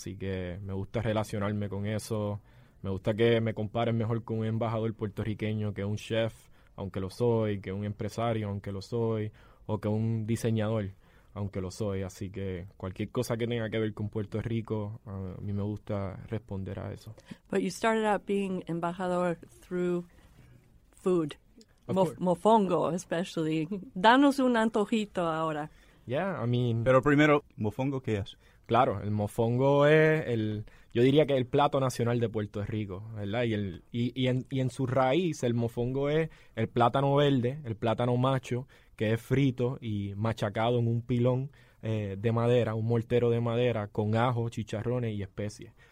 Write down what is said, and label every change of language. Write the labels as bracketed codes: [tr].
[es] Así que me gusta relacionarme con eso. Me gusta que me comparen mejor con un embajador puertorriqueño que un chef, aunque lo soy, que un empresario, aunque lo soy, o que un diseñador. Aunque lo soy, así que cualquier cosa que tenga que ver con Puerto Rico, a mí me gusta responder a eso. [en] But you started out being embajador through food, mofongo especially. [es] Danos un antojito ahora. [en] Yeah, I mean... [es] Pero primero, ¿mofongo qué es? Claro, el mofongo es yo diría que el plato nacional de Puerto Rico, ¿verdad? Y en su raíz, el mofongo es el plátano verde, el plátano macho, que es frito y machacado en un pilón de madera, un mortero de madera, con ajo, chicharrones y especias.